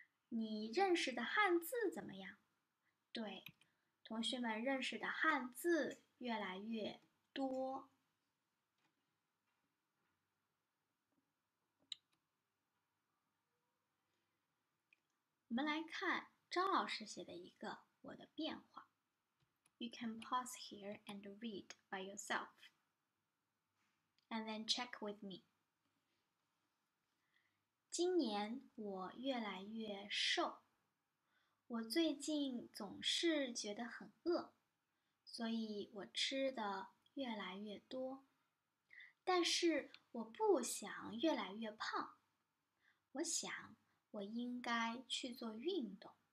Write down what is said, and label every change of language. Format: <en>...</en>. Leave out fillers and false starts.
<zh>你认识的汉字怎么样？对，同学们认识的汉字越来越多。我们来看张老师写的一个我的变化。</zh> <en>You can pause here and read by yourself, and then check with me.</en> <zh>今年我越来越瘦，我最近总是觉得很饿，所以我吃的越来越多。但是我不想越来越胖，我想我应该去做运动。</zh>